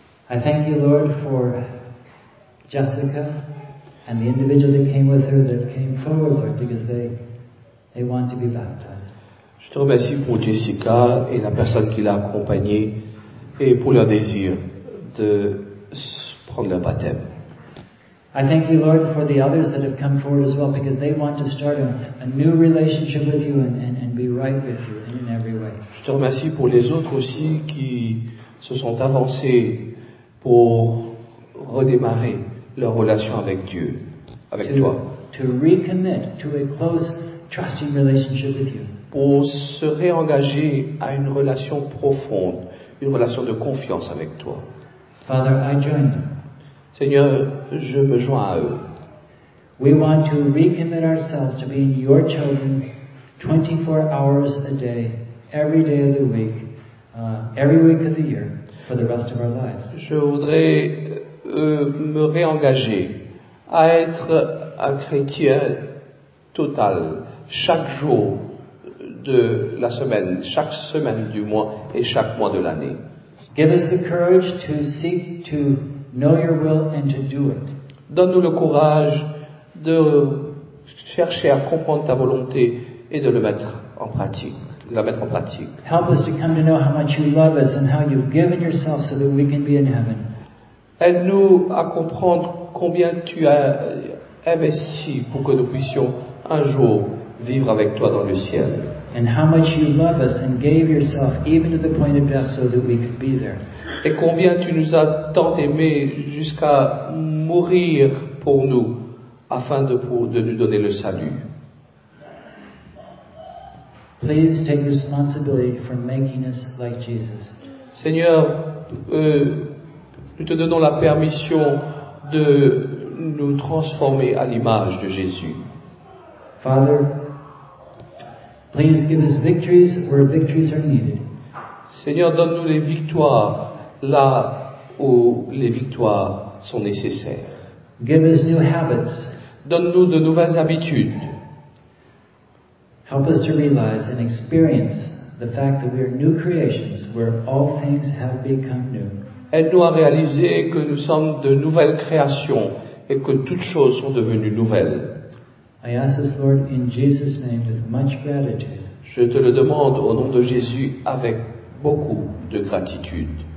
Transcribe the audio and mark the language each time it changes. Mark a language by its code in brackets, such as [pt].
[en] I thank you, Lord, for Jessica and the individual that came with her that came forward, Lord, because they want to be baptized. [fr] Je te remercie pour Jessica et la personne qui l'a accompagnée et pour leur désir de prendre leur baptême. [en] I thank you, Lord, for the others that have come forward as well because they want to start a new relationship with you and be right with you in every way. [fr] Je te remercie pour les autres aussi qui se sont avancés pour redémarrer leur relation avec Dieu, avec toi. [en] To recommit to a close, trusting relationship with you. [fr] Pour se réengager à une relation profonde, une relation de confiance avec toi. [en] Father, I join them. [fr] Seigneur, je me joins à eux. [en] We want to recommit ourselves to being your children 24 hours a day, every day of the week, every week of the year. For the rest of our lives. [fr] Je voudrais me réengager à être un chrétien total chaque jour de la semaine, chaque semaine du mois et chaque mois de l'année. [en] Give us the courage to seek to know your will and to do it. [fr] Donne-nous le courage de chercher à comprendre ta volonté et de le mettre en pratique. [en] Help us to come to know how much you love us and how you've given yourself so that we can be in heaven. [fr] Aide-nous à comprendre combien tu as investi pour que nous puissions un jour vivre avec toi dans le ciel. [en] And how much you love us and gave yourself even to the point of death so that we could be there. [fr] Et combien tu nous as tant aimés jusqu'à mourir pour nous afin de nous donner le salut. [en] Please take responsibility for making us like Jesus. [fr] Seigneur, nous te donnons la permission de nous transformer à l'image de Jésus. [en] Father, please give us victories where victories are needed. [fr] Seigneur, donne-nous les victoires là où les victoires sont nécessaires. [en] Give us new habits. [fr] Donne-nous de nouvelles habitudes. [en] Help us to realize and experience the fact that we are new creations where all things have become new. [fr] Aide-nous à réaliser que nous sommes de nouvelles créations et que toutes choses sont devenues nouvelles. [en] I ask this, Lord, in Jesus' name with much gratitude. [fr] Je te le demande au nom de Jésus avec beaucoup de gratitude.